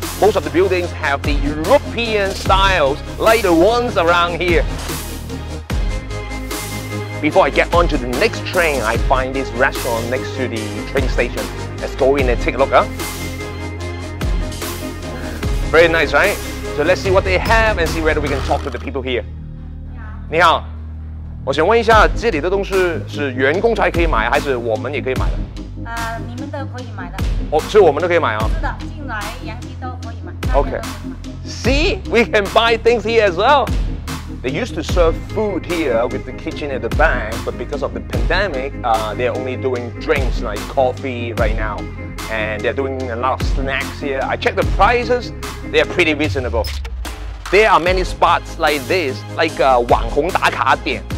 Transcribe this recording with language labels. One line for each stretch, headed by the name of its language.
English: Most of the buildings have the European styles, like the ones around here. Before I get onto the next train, I find this restaurant next to the train station. Let's go in and take a look. Very nice, right? So let's see what they have and see whether we can talk to the people here.
Chinese: 你好, 我想问一下, 这里的东西是员工才可以买还是我们也可以买的? 你们的可以买的。哦，是我们的可以买啊。是的，进来杨记都可以买。
English: Okay. See, we can buy things here as well. They used to serve food here with the kitchen at the back, but because of the pandemic, they're only doing drinks like coffee right now, and they're doing a lot of snacks here. I checked the prices; they are pretty reasonable. There are many spots like this, like 网红打卡点.